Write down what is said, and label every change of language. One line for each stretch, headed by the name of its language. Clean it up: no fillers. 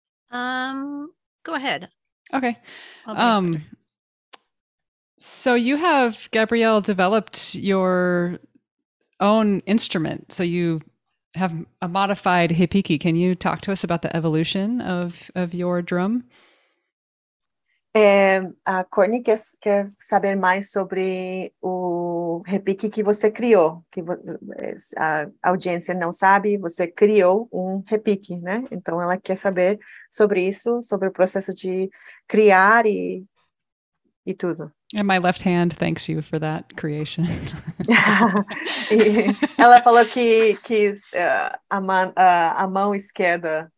English: Go ahead. Okay. I'll be quick. So you have, Gabrielle, developed your own instrument. So you have a modified hibiki. Can you talk to us about the evolution of your drum?
Portuguese: Courtney, quer saber mais sobre o repique que você criou? Que a audiência não sabe, você criou um repique, né? Então ela quer saber sobre isso, sobre o processo de criar e tudo.
English: And my left hand thanks you for that creation.
Portuguese: E ela falou que a mão esquerda